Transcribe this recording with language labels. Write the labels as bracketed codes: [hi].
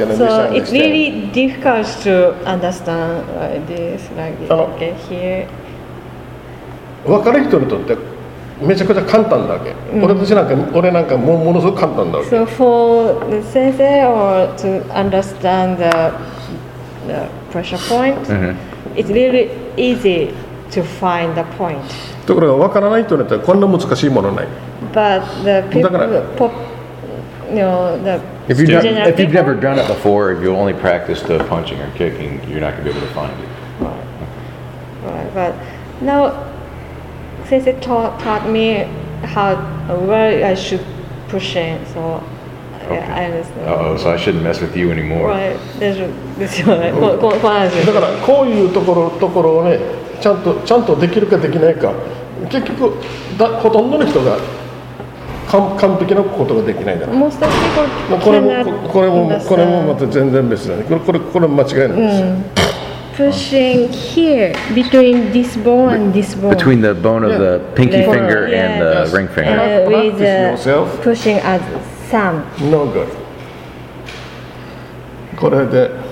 [en] and so it's really difficult to understand like this okay here [ja] 分かる人にとってめちゃくちゃ簡単だわけ、うん、俺なんかもうものすごく簡単だわけ [en] so for the 先生 or to understand the pressure point it's really easy to find the point [ja] ところが分からない人にとってはこんな難しいものない [en] but the people だから pop, you know the if, you not, if you've never done it before if you only practice the punching or kicking you're not going to be able to find it right but now since it taught me how where I should push in so Okay. Yeah, I understand. Oh, so I shouldn't mess with you anymore. Right. [ja] だからこういうところをね、ちゃんとできるかできないか、結局ほとんどの人が完璧なことができないんだ。 [en] Most of people [ja] これもまた全然別だね。これも間違いないです。 [en] Pushing here between this bone and this bone. Between the bone of the pinky finger and the ring finger. With yourself. Pushing as No good. [ja] これで